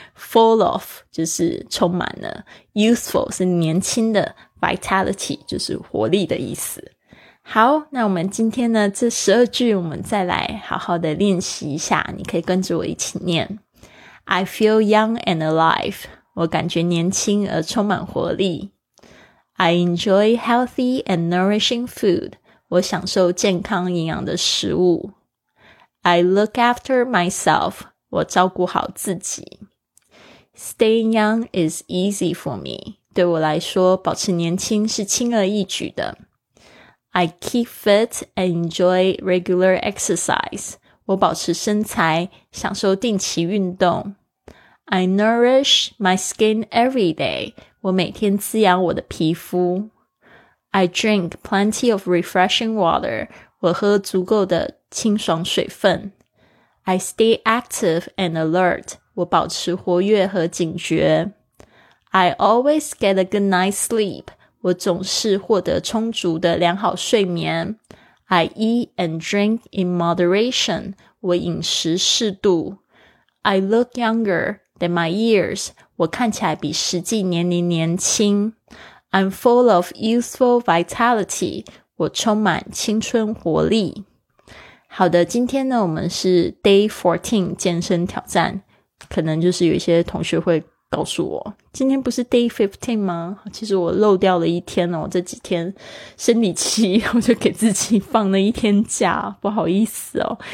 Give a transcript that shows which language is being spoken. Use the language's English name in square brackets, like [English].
[Chinese] Full of 就是充满了， youthful 是年轻的， vitality 就是活力的意思。好，那我们今天呢这十二句我们再来好好的练习一下，你可以跟着我一起念。 [English] I feel young and alive, [Chinese] 我感觉年轻而充满活力。 [English] I enjoy healthy and nourishing food. [Chinese] 我享受健康营养的食物。 [English] I look after myself. [Chinese] 我照顾好自己。 [English] Staying young is easy for me. [Chinese] 对我来说，保持年轻是轻而易举的。 [English] I keep fit and enjoy regular exercise. [Chinese] 我保持身材，享受定期运动。 [English] I nourish my skin every day. [Chinese] 我每天滋养我的皮肤。 [English] I drink plenty of refreshing water, [Chinese] 我喝足够的清爽水分。 [English] I stay active and alert, [Chinese] 我保持活跃和警觉。 [English] I always get a good night's sleep, [Chinese] 我总是获得充足的良好睡眠。 [English] I eat and drink in moderation, [Chinese] 我饮食适度。 [English] I look younger than my years, [Chinese] 我看起来比实际年龄年轻。 [English] I'm full of youthful vitality, [Chinese] 我充满青春活力。好的，今天呢我们是 Day 14健身挑战，可能就是有一些同学会告诉我今天不是 Day 15吗？其实我漏掉了一天哦，这几天生理期我就给自己放了一天假，不好意思哦。